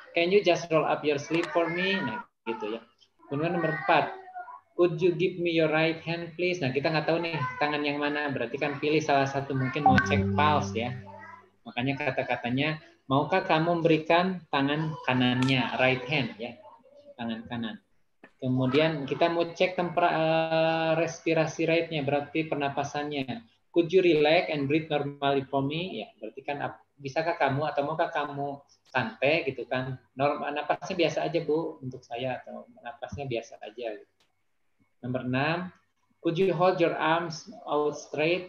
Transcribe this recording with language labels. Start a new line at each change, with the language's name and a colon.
English: Can you just roll up your sleeve for me?
Indonesian: Nah, gitu ya. Kemudian nomor 4.
English: Could you give me your right hand please?
Indonesian: Nah, kita nggak tahu nih tangan yang mana. Berarti kan pilih salah satu, mungkin mau cek pulse ya. Makanya kata-katanya, maukah kamu memberikan tangan kanannya, right hand ya, tangan kanan. Kemudian kita mau cek respirasi rate-nya, berarti pernapasannya.
English: Could you relax and breathe normally for me?
Indonesian: Ya, berarti kan bisakah kamu atau maukah kamu santai gitu kan. Normal, napasnya biasa aja Bu untuk saya, atau napasnya biasa aja gitu.
English: Nomor 6, could you hold your arms out straight?